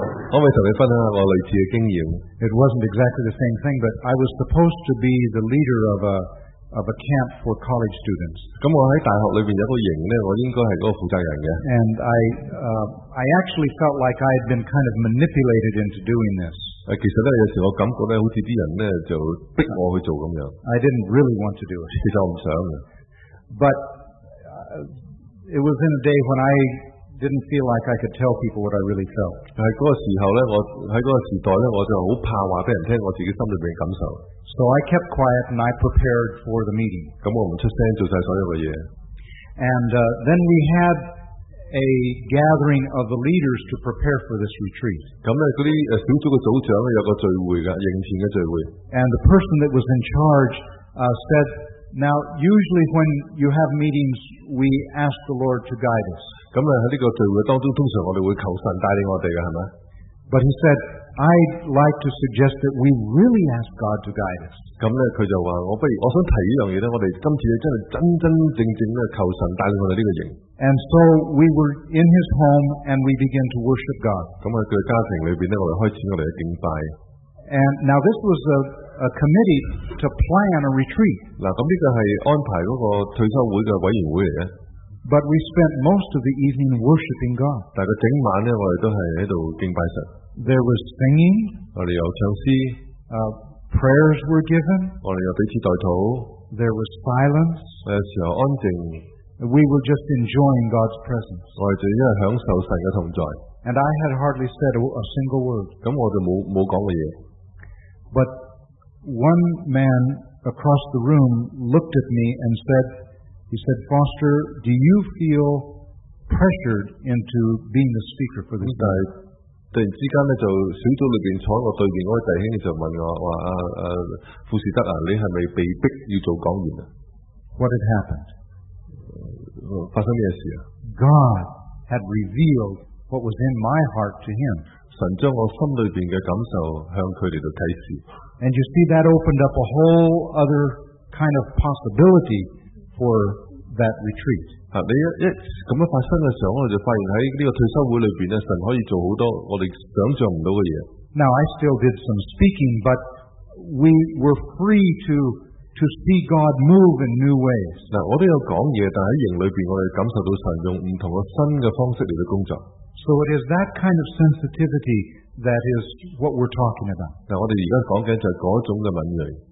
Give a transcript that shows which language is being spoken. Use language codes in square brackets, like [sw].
[yue] 可唔可以同你分享我類似嘅經驗 [en] ？It wasn't exactly the same thing, but I was supposed to be the leader of a camp for college students. [yue] 咁我喺大學裏邊有個營咧，我應該係嗰個負責人嘅。 [en] And I actually felt like I had been kind of manipulated into doing this. [yue] 其實咧，有時我感覺咧，好似啲人咧就逼我去做咁樣。 [en] I didn't really want to do it. [yue] 其實我唔想嘅。 [en] But it was in a day when I didn't feel like I could tell people what I really felt. [yue] 喺嗰個時候咧，我喺嗰個時代咧，我就好怕話俾人聽我自己心裏邊嘅感受。 [en] So I kept quiet and I prepared for the meeting. [yue] 咁我唔出聲做曬所有嘅嘢。 [en] And then we had a gathering of the leaders to prepare for this retreat. [yue] 咁咧嗰啲小組嘅組長有個聚會㗎，迎前嘅聚會。 [en] And the person that was in charge said, "Now, usually when you have meetings, we ask the Lord to guide us." [yue] 咁啊喺呢個聚會當中，通常我哋會求神帶領我哋嘅，係咪？ [en] But he said. I'd like to suggest that we really ask God to guide us. [yue] 咁咧，佢就話：我不如我想提呢樣嘢咧，我哋今次真係真真正正咧求神帶領我哋呢個營。 [en] And so we were in his home and we began to worship God. [yue] 咁喺佢家庭裏邊咧，我哋開始我哋嘅敬拜。 [en] And now this was a committee to plan a retreat. [yue] 嗱，咁呢個係安排嗰個退休會嘅委員會嚟嘅。 [en] But we spent most of the evening worshiping God. [yue] 但係整晚咧，我哋都係喺度敬拜神。 [en] There was singing. [yue] 我哋有唱诗。 [en] Prayers were given. [yue] 我哋有彼此代祷。 [en] There was silence. [yue] 有时候安静。 [en] We were just enjoying God's presence. [yue] 我哋只系享受神嘅同在。 [en] And I had hardly said a single word. [yue] 咁我就冇讲过嘢。 [en] But one man across the room looked at me and said, "He said, Foster, do you feel pressured into being the speaker for this day?" [yue] 突然之間咧，就小組裏邊坐喺我對面嗰位弟兄就問我話：富士德啊，你係咪被逼要做講員啊 [en] ？What had happened？ [yue] 發生咩事啊 [en] ？God had revealed what was in my heart to him。 [yue] 神將我心裏邊嘅感受向佢哋度啟示。 [en] And you see that opened up a whole other kind of possibility for that retreat。 [yue] 你一咁樣發生嘅時候，我就發現喺呢個退休會裏邊咧，神可以做好多我哋想象唔到嘅嘢。 [en] Now I still did some speaking, but we were free to see God move in new ways. [yue] 嗱，我都有講嘢，但喺營裏邊，我哋感受到神用唔同嘅新嘅方式嚟到工作。 [en] So it is that kind of sensitivity that is what we're talking about. [yue] 嗱，我哋而家講緊就係嗰種嘅敏鋭。